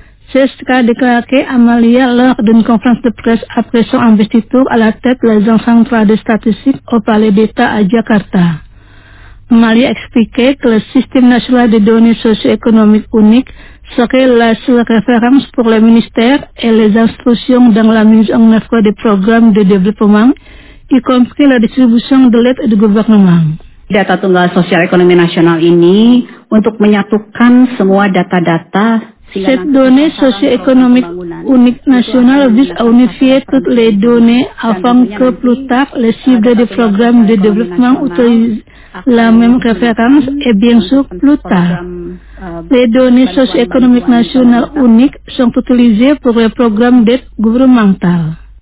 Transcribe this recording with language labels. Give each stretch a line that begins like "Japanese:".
French: C'est ce qu'a déclaré Amalia lors d'une conférence de presse après son investiture à la tête de l'Agence centrale de statistiques au Palais d'État à Jakarta. Amalia expliquait que le système national de données socio-économiques unique serait la seule référence pour le ministère et les institutions dans la mise en œuvre des programmes de développement, y compris la distribution de l'aide du gouvernement.
Indonesian: Data tunggal sosial ekonomi nasional ini untuk menyatukan semua data-data.
French: Cette donnée socio-économique unique nationale vise à unifier toutes les données afin que plus tard les cibles des programmes de développement utilisent la même référence et bien sûr plus tard. Les données socio-économiques nationales uniques sont utilisées pour les programmes d'aide gouvernementale.